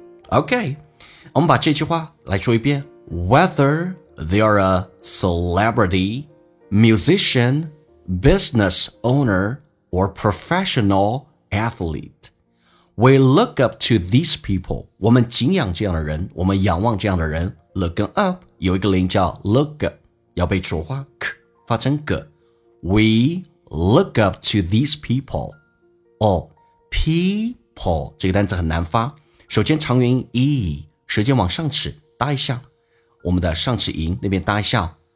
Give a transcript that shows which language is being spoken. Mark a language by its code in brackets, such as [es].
[zh] OK， 我们把这句话来说一遍。 [en] Whether they are a celebrity, musician, business owner, or professional athlete, we look up to these people. [zh] 我们敬仰这样的人，我们仰望这样的人。 Look up 有一个零叫 look up， 要被浊化 k 发成 g。 [en] We look up to these peopleP [zh] eople 这个单词很难发，首先长元音 e， 舌尖往上齿搭一下，我们的上齿龈那边搭一下